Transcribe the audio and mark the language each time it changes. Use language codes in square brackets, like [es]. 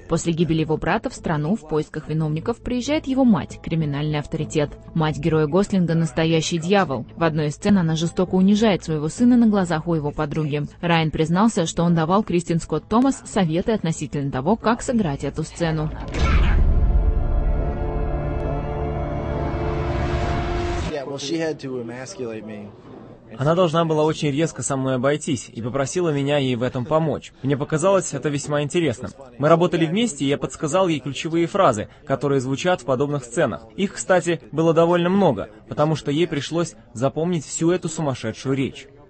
[ru] После гибели его брата в страну в поисках виновников приезжает его мать – криминальный авторитет. Мать героя Гослинга – настоящий дьявол. В одной из сцен она жестоко унижает своего сына на глазах у его подруги. Райан признался, что он давал Кристин Скотт Томас советы относительно того, как сыграть эту сцену. [en] Well, she had to emasculate me. [ru] Она должна была очень резко со мной обойтись и попросила меня ей в этом помочь. Мне показалось это весьма интересным. Мы работали вместе, и я подсказал ей ключевые фразы, которые звучат в подобных сценах. Их, кстати, было довольно много, потому что ей пришлось запомнить всю эту сумасшедшую речь.